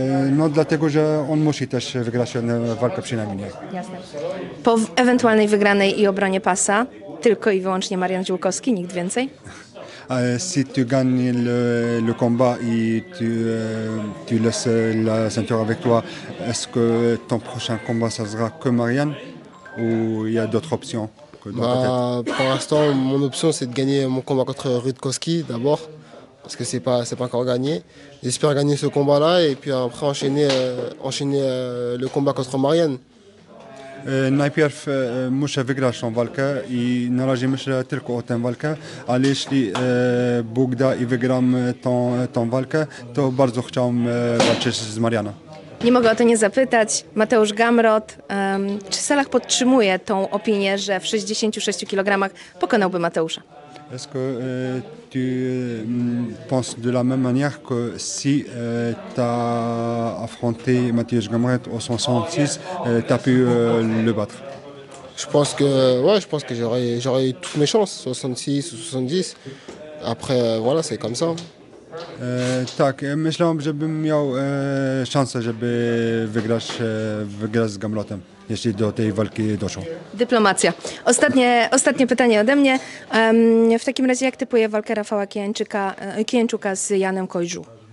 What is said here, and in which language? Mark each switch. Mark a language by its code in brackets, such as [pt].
[pl] No dlatego, że on musi też wygrać jedną walkę przynajmniej. Jasne. Po ewentualnej wygranej i obronie pasa tylko i wyłącznie Marian Dziółkowski, nikt więcej? [fr] Si tu gagnes le combat et tu laisses la ceinture avec toi, est-ce que ton prochain combat ça sera que Marianne ou il y a d'autres options que dans ta tête? Pour l'instant, mon option c'est de gagner mon combat contre Rutkowski d'abord, parce que c'est pas encore gagné. J'espère gagner ce combat-là et puis après enchaîner le combat contre Marianne. [pl] Najpierw muszę wygrać tą walkę i na razie myślę tylko o tę walkę, ale jeśli Bóg da i wygram tą walkę, to bardzo chciałbym walczyć z Mariano. Nie mogę o to nie zapytać. Mateusz Gamrot, czy Salah podtrzymuje tą opinię, że w 66 kg pokonałby Mateusza? [fr] Est-ce que tu penses de la même manière que si tu as affronté Mathieu Gamrot au 66, tu as pu le battre? Je pense que j'aurais eu toutes mes chances, 66 ou 70. Après, voilà, c'est comme ça. [pl] Tak, myślałem, żebym miał szansę, żeby wygrać z Gamrotem, jeśli do tej walki doszło. Dyplomacja. Ostatnie pytanie ode mnie. W takim razie, jak typuje walkę Rafała Kijęczuka z Janem Kojżu?